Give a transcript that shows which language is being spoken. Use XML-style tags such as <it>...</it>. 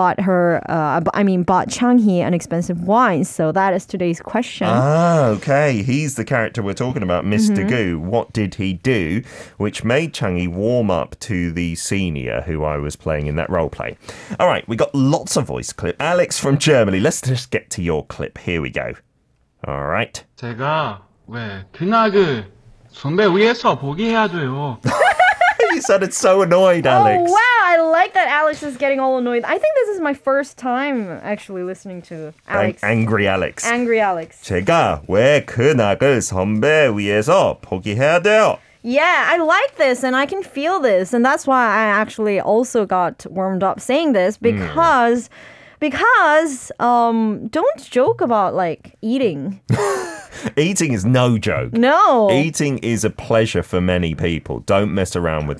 <en>Bought Changhee an expensive wine. So that is today's question. Ah, okay. He's the character we're talking about, Mr. Mm-hmm. Gu. What did he do which made Changhee warm up to the senior who I was playing in that role play? All right, we got lots of voice clip. Alex from Germany, let's just get to your clip. Here we go. All right.</en> <ko>제가 왜 그나그 선배 위해서 포기해야 돼요.</ko> <en>You sounded so annoyed, Alex. Oh, wow. I like that Alex is getting all annoyed. I think this is my first time actually listening to Alex. Angry Alex. Angry Alex.</en> <ko>제가 왜 그 낙을 선배 위해서 포기해야 돼요?</ko> <en>Yeah, I like this and I can feel this. And that's why I actually also got warmed up saying this because... Mm. Because, don't joke about, like, eating. Eating is no joke. No. Eating is a pleasure for many people. Don't mess around with</en>